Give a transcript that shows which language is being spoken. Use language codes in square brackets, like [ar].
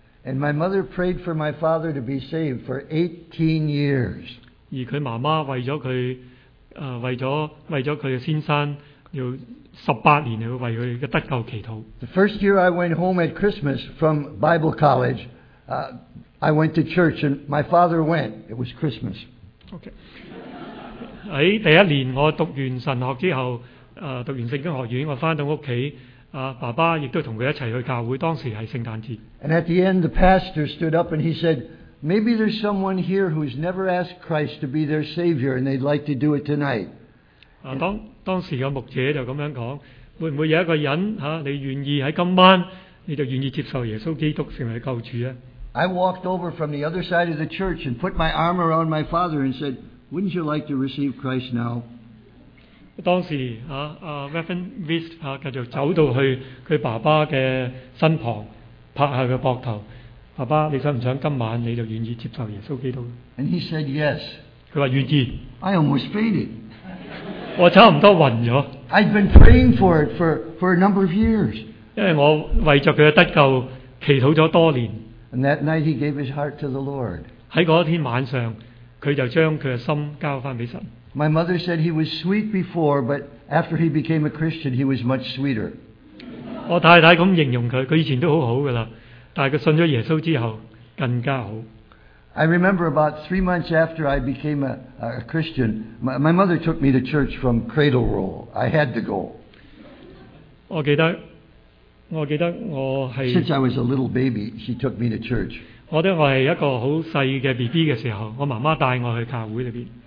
[en] And my mother prayed for my father to be saved for 18 years. [yue] 而佢媽媽為咗佢為咗佢嘅先生。有十八年要为佢嘅得救祈祷。 [en] The first year I went home at Christmas from Bible College, I went to church and my father went. It was Christmas. [yue] Okay. 喺第一年我读完神学之后，读完圣经学院，我翻到屋企，爸爸亦都同佢一齐去教会。当时系圣诞节。 [en] And at the end, the pastor stood up and he said, "Maybe there's someone here who's never asked Christ to be their Savior and they'd like to do it tonight." [yue] 當時嘅牧者就咁樣講，會唔會有一個人你願意喺今晚，你就願意接受耶穌基督成為救主咧 [en] ？I walked over from the other side of the church and put my arm around my father and said, "Wouldn't you like to receive Christ now?" [yue] 當時Reverend Vist 繼續走到去佢爸爸嘅身旁，拍下佢膊頭，爸爸，你想唔想今晚你就願意接受耶穌基督 [en] ？And he said yes. [yue] 佢話願意。 [en] I almost fainted. [yue] 我差唔多晕咗。 [en] I've been praying for it for a number of years. [yue] 因为我为着佢嘅得救祈祷咗多年。 [en] And that night he gave his heart to the Lord. [yue] 喺嗰天晚上，佢就将佢嘅心交翻俾神。 [en] My mother said he was sweet before, but after he became a Christian, he was much sweeter. [yue] 我太太咁形容佢，佢以前都好好噶啦，但系佢信咗耶稣之后更加好。 [en] I remember about 3 months after I became a Christian, my mother took me to church from Cradle Roll. I had to go. [yue] 我記得我係 [en] Since I was a little baby, she took me to church. [yue] 我記得我係一個好細嘅 BB 嘅時候，我媽媽帶我去教會裏邊。